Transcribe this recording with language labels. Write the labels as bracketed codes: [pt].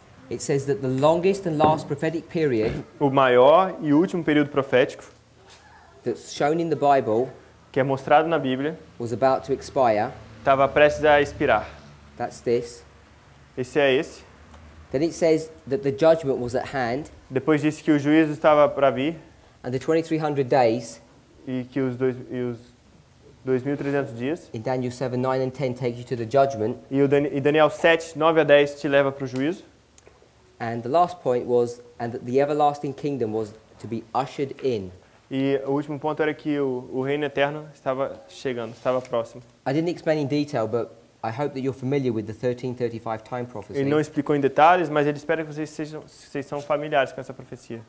[en] It says that the longest and last prophetic period, [pt] o maior e último período profético, [en] that's shown in the Bible, [pt] que é mostrado na Bíblia, [en] was about to expire. [pt] Estava prestes a expirar. [en] That's this. [pt] Esse é esse. [en] Then it says that the judgment was at hand. [pt] Depois disse que o juízo estava para vir. [en] And the 2300 days. [pt] E que os 2300 dias. [en] In Daniel 7, 9 and 10 takes you to the judgment. [pt] E Daniel 7, 9 a 10 te leva para o juízo. [en] And the last point was, and that the everlasting kingdom was to be ushered in. [pt] E o último ponto era que o reino eterno estava chegando, estava próximo. [en] I didn't explain in detail, but I hope that you're familiar with the 1335 time prophecy. [pt] Ele não explicou em detalhes, mas ele espera que vocês são familiares com essa profecia.